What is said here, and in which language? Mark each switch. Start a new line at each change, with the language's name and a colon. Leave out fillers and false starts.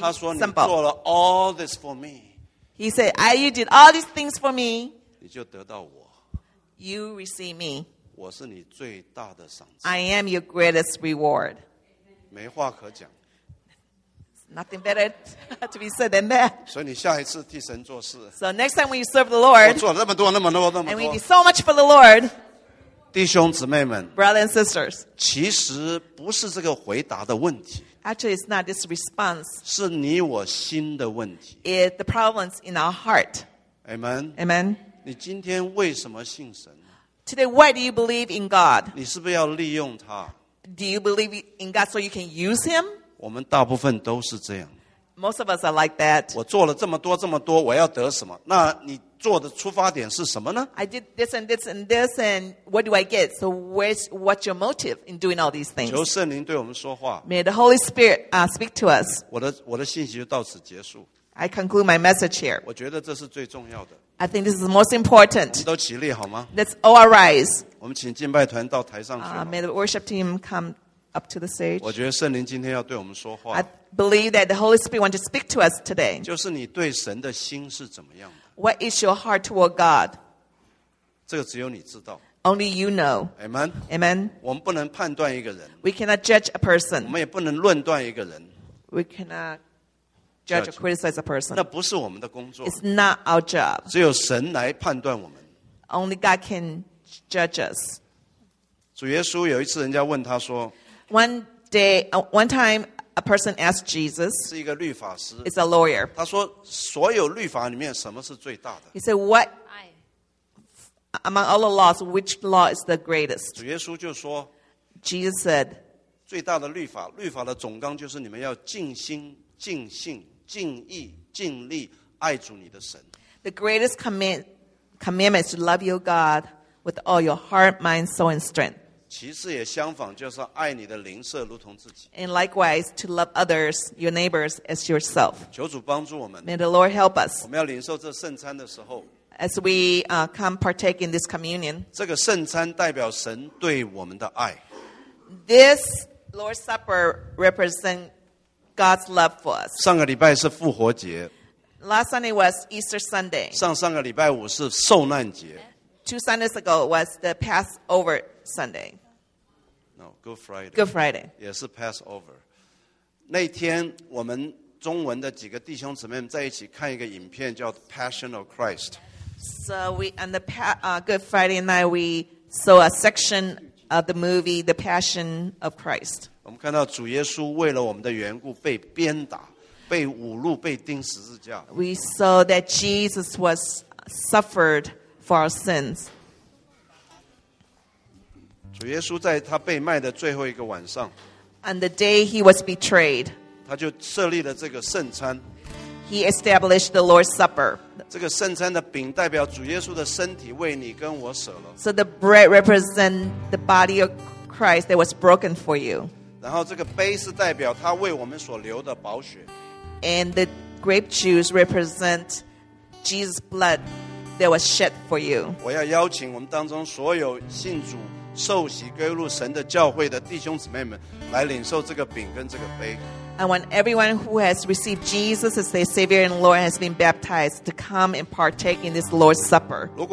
Chinese: 他说你做了
English: all this for me. He said, you did all these things for me.
Chinese: 你就得到我。
English: You receive me.
Chinese: 我是你最大的赏赐。
English: I am your greatest reward.
Chinese: 没话可讲。
English: Nothing better to be said than that.
Chinese: 所以你下一次替神做事。
English: So next time when you serve the Lord,
Chinese: 我做了那么多，那么多，那么多。
English: And we did so much for the Lord.
Chinese: 弟兄姊妹们。
English: Brothers and sisters.
Chinese: 其实不是这个回答的问题。
English: Actually, it's not this response.
Chinese: 是你我心的问题。
English: The problem is in our heart. Amen. Amen.
Chinese: 你今天为什么信神？
English: Today, why do you believe in God?
Chinese: 你是不是要利用他？
English: Do you believe in God so you can use him?
Chinese: 我们大部分都是这样。
English: Most of us are like that.
Chinese: 我做了这么多这么多，我要得什么？那你做的出发点是什么呢
English: ？I did this and this and this, and what do I get? So what's your motive in doing all these things?
Chinese: 求圣灵对我们说话。
English: May the Holy Spirit speak to us.
Chinese: 我的信息就到此结束。
English: I conclude my message here.
Chinese: 我觉得这是最重要的。
English: I think this is the most important.
Chinese: 我们都起立好吗
English: ？Let's all arise.
Chinese: 我们请敬拜团到台上去。
English: May the worship team come up to the stage.
Chinese: 我觉得圣灵今天要对我们说话。
English: I believe that the Holy Spirit wants to speak to us today.
Chinese: 就是你对神的心是怎么样的。
English: What is your heart toward God?
Chinese: 这个只有你知道。
English: Only you know. Amen. Amen.
Chinese: 我们不能判断一个人。
English: We cannot judge a person.
Chinese: 我们也不能论断一个人。
English: We cannot judge or criticize a person.
Chinese: 那不是我们的工作。
English: It's not our job.
Chinese: 只有神来判断我们。
English: Only God can judge us.
Chinese: 主耶稣有一次人家问他说,
English: One time a person asked Jesus,
Chinese: 是一个律法师,
English: it's a lawyer.
Chinese: 他说, 所有律法里面什么是最大的?
English: He said, what among all the laws, which law is the greatest?
Chinese: 主耶稣就说,
English: Jesus said,
Chinese: 最大的律法, 律法的总纲就是你们要尽心、尽性、尽意、尽力爱主你的神。
English: The greatest commandment is to love your God with all your heart, mind, soul, and strength.
Chinese: 其次也相仿就是爱你的邻舍如同自己。
English: And likewise, to love others, your neighbors, as yourself.
Chinese: 求主帮助我们。
English: May the Lord help us.
Chinese: 我们要领受这圣餐的时候,
English: as we come partake in this communion,
Chinese: 这个圣餐代表神对我们的爱。
English: This Lord's Supper represents God's love for us.
Chinese: 上个礼拜是复活节。
English: Last Sunday was Easter Sunday.
Chinese: 上上个礼拜五是受难节。
English: Two Sundays ago was the Passover Sunday. No, Good Friday. Good Friday.
Chinese: 也是Passover. 那天我们中文的几个弟兄姊妹在一起看一个影片叫Passion of Christ.
English: So we on the Good Friday night we saw a section of the movie The Passion of Christ.
Chinese: 我们看到主耶稣为了我们的缘故被鞭打、被侮辱、被钉十字架。
English: We saw that Jesus was suffered for our sins.
Chinese: 主耶稣在他被卖的最后一个晚上,
English: on the day he was betrayed,
Chinese: 他就设立了这个圣餐,
English: he established the Lord's Supper.
Chinese: 这个圣餐的饼代表主耶稣的身体为你跟我舍了。
English: So the bread represents the body of Christ that was broken for you.
Chinese: 然后这个杯是代表他为我们所流的宝血。
English: And the grape juice represents Jesus' blood that was shed for you.
Chinese: 我要邀请我们当中所有信主 受洗归入神的教会的弟兄姊妹们来领受这个饼跟这个杯。
English: I want everyone who has received Jesus as their Savior and Lord has been baptized to come and partake in this Lord's Supper.